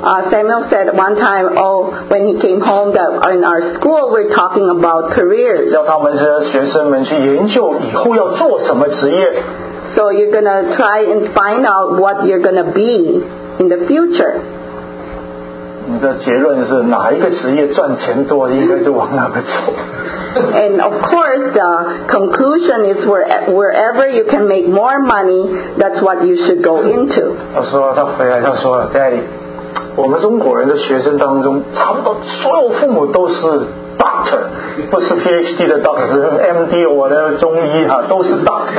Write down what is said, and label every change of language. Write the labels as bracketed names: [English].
[English] Samuel said one time, oh, when he came home, that in our school we're talking about careers. [Chinese] 要他们这学生们去研究以后要做什么职业。 [English] So you're going to try and find out what you're going to be in the future. [Chinese] 你的结论是哪一个职业赚钱多，应该就往哪个走。 [English] And of course, the conclusion is wherever you can make more money, that's what you should go into. [Chinese] 他说，他回来，他说，Daddy, 我们中国人的学生当中，差不多所有父母都是doctor， 不是PhD的doctor，是MD or中医哈，都是doctor.